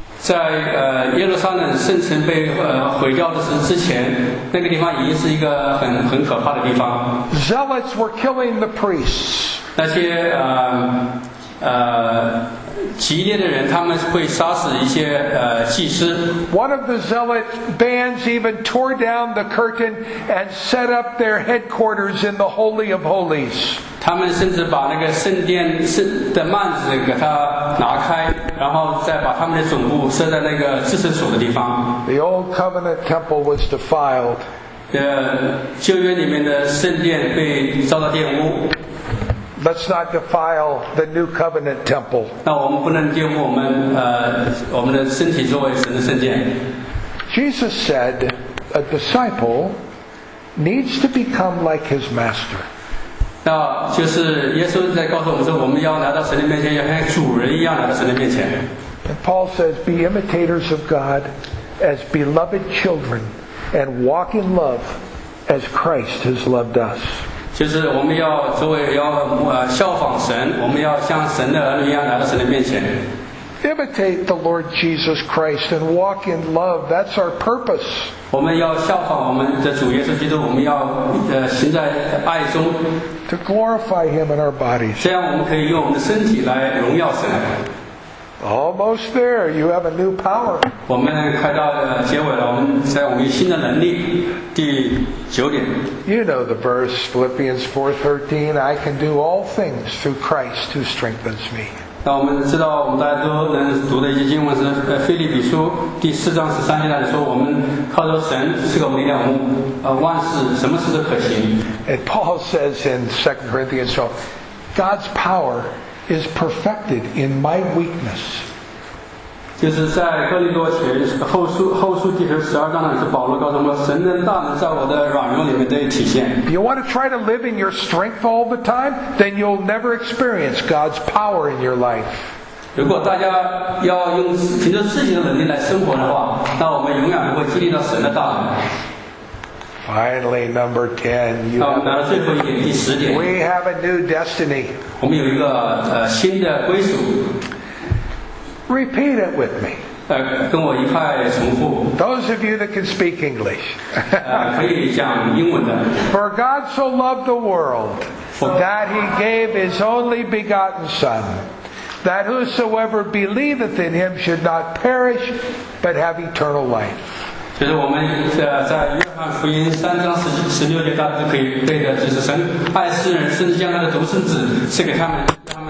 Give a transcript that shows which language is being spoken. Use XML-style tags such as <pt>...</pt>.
<zh>在耶路撒冷圣城被毁掉的之前，那个地方已经是一个很可怕的地方。</zh> <en>Zealots were killing the priests.</en> <zh>那些激烈的人，他们会杀死一些祭司。</zh> <en>One of the zealot bands even tore down the curtain and set up their headquarters in the Holy of Holies.</en> <zh>他们甚至把那个圣殿的幔子给它拿开，然后再把他们的总部设在那个至圣所的地方。</zh> <en>The old covenant temple was defiled.</en> <zh>旧约里面的圣殿被遭到玷污。</zh> <en>Let's not defile the new covenant temple.</en> <zh>那我们不能玷污我们的身体作为神的圣殿。</zh> <en>Jesus said, a disciple needs to become like his master.</en> <zh>就是耶稣在告诉我们说，我们要来到神的面前，要像主人一样来到神的面前。</zh> <en>And Paul says, "Be imitators of God, as beloved children, and walk in love, as Christ has loved us."</en> <zh>就是我们要作为要效仿神，我们要像神的儿女一样来到神的面前。</zh> <en>Imitate the Lord Jesus Christ and walk in love. That's our purpose.</en> <zh>我们要效仿我们的主耶稣基督，我们要行在爱中。</zh> <en>To glorify Him in our bodies.</en> <zh>这样我们可以用我们的身体来荣耀神。</zh> <en>Almost there. You have a new power.</en> <zh>我们快到结尾了，我们在我们有新的能力。第九点。</zh> <en>You know the verse Philippians 4:13. I can do all things through Christ who strengthens me.</en> <zh>那我们知道，我们大家都能读的一些经文是《腓立比书》第四章十三节来说，我们靠着神是个力量，我们万事什么事都可行。</zh> <en>And Paul says in 2 Corinthians, so God's power is perfected in my weakness.</en> <zh>就是在哥林多前后书第十二章里，保罗告诉我们，神的大能在我的软弱里面得以体现。</zh> <en>You want to try to live in your strength all the time, then you'll never experience God's power in your life.</en> <zh>如果大家要用凭着自己的能力来生活的话，那我们永远不会经历到神的大能。</zh> <en>Finally, number 10, you we have a new destiny.</en> <zh>我们有一个新的归属。</zh> <en>Repeat it with me.</en> <zh>跟我一块重复。</zh> <en>Those of you that can speak English.</en> <zh>可以讲英文的。</zh> <en>For God so loved the world that he gave his only begotten son, that whosoever believeth in him should not perish, but have eternal life.</en> <zh>就是我们在约翰福音三章十六节，大家都可以背的，就是神爱世人，甚至将他的独生子赐给他们。</zh>